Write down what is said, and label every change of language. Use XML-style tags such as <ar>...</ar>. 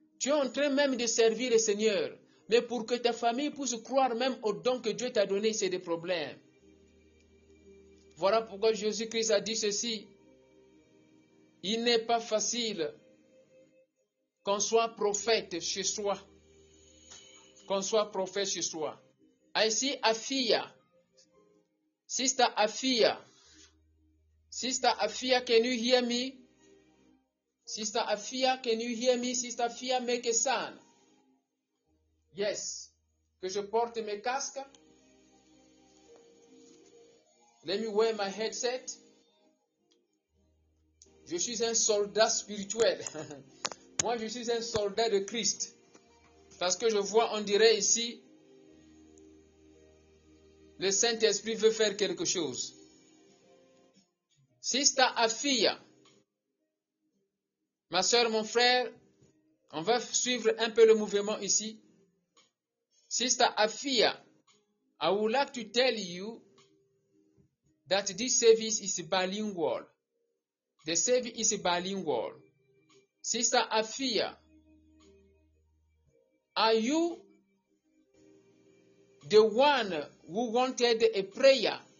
<fr>Tu es en train même de servir le Seigneur, mais pour que ta famille puisse croire même au don que Dieu t'a donné, c'est des problèmes. Voilà pourquoi Jésus-Christ a dit ceci. Il n'est pas facile qu'on soit prophète chez soi. Qu'on soit prophète chez soi.</fr> <en>Ici, Afia, Sister Afia, Sister Afia, can you hear me? Sister Afia, can you hear me? Sister Afia, make a sign. Yes.</en> <fr>Que je porte mes casques.</fr> <en>Let me wear my headset.</en> <fr>Je suis un soldat spirituel. Moi, je suis un soldat de Christ. Parce que je vois, on dirait ici, le Saint-Esprit veut faire quelque chose. Sister Afia, ma soeur, mon frère, on va suivre un peu le mouvement ici.</fr> <en>Sister Afia, I would like to tell you that this service is bilingual. The service is bilingual. Sister Afia, are you the one who wanted a prayer?</en>